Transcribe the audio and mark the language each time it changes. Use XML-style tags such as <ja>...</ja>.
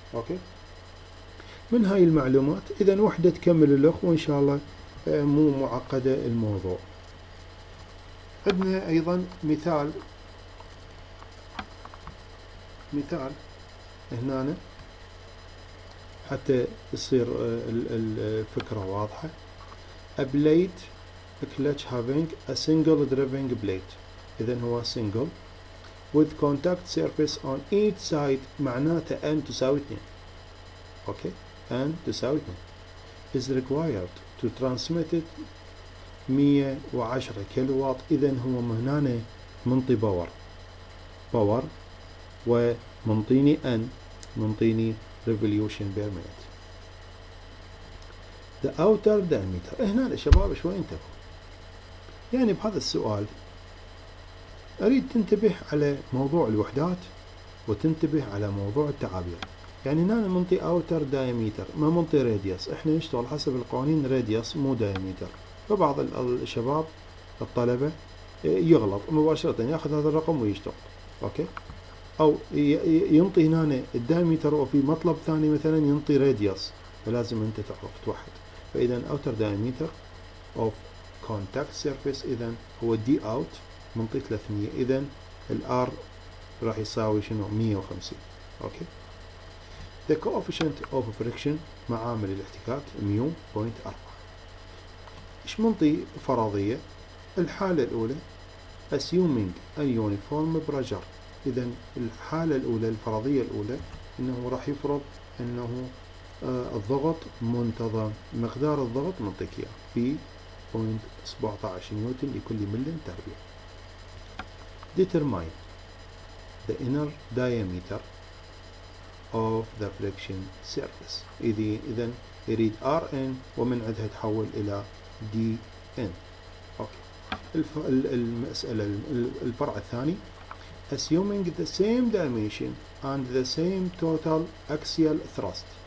<ar>اوكي، من هاي المعلومات اذا وحده تكمل الاخ وان شاء الله مو معقده الموضوع. عندنا ايضا مثال هنا حتى يصير الفكره واضحه.</ar> <en>A blade a clutch having a single driving blade،</en> <ar>اذا هو</ar> <en>single with contact surface on each side،</en> <ar>معناته n تساوي 2،</ar> <en>Okay, n تساوي 2 is required to transmit it 110 kilowatt.</en> <ar>اذا هو هنا منطي باور ومنطيني ان، منطيني ريفوليوشن بير مينت. ذا اوتر دايمتر، هنا شباب شوي انتبهوا، يعني بهذا السؤال اريد تنتبه على موضوع الوحدات وتنتبه على موضوع التعابير. يعني هنا منطي اوتر دايمتر ما منطي راديوس، احنا نشتغل حسب القوانين راديوس مو دايمتر، فبعض الشباب الطلبة يغلط مباشرة ياخذ هذا الرقم ويشتغل، اوكي، او ينطي هنا الدايمتر وفي مطلب ثاني مثلا ينطي راديوس، فلازم انت تعرف توحد. فاذا اوتر دايمتر اوف كونتاكت سيرفيس اذا هو دي اوت منطي 300، اذا الار راح يساوي شنو 150، اوكي.</ar> <en>The coefficient of friction</en> <ar>معامل الاحتكاك ميو</ar> <en>0.4.</en> <ar>إيش منطي فرضية؟ الحالة الأولى</ar> <en>assuming a uniform pressure،</en> <ar>إذا الحالة الأولى الفرضية الأولى إنه راح يفرض إنه الضغط منتظم، مقدار الضغط منطقية في 0.17 نيوتن لكل ملم تربيع.</ar> <en>Determine the inner diameter of the friction surface.</en> <ar>إذن يريد Rn ومن عندها تحول إلى Dn. المسألة الفرع الثاني.</ar> <en>Assuming the same dimension and the same total axial thrust.</en>